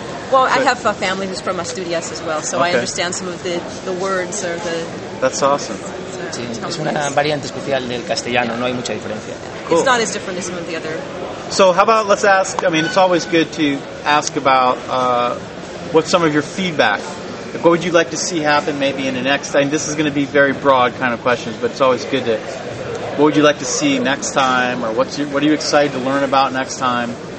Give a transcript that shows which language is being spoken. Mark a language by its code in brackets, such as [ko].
[en] Well, I have a family who's from Asturias as well, so okay. I understand some of the words or the... That's awesome. [es] Sí, es una variante especial del castellano, no hay mucha diferencia. [en] Cool. It's not as different as some of the other... So how about, let's ask, I mean, it's always good to ask about what's some of your feedback. Like, what would you like to see happen maybe in the next... I mean, this is going to be very broad kind of questions, but it's always good to... What would you like to see next time, or what are you excited to learn about next time?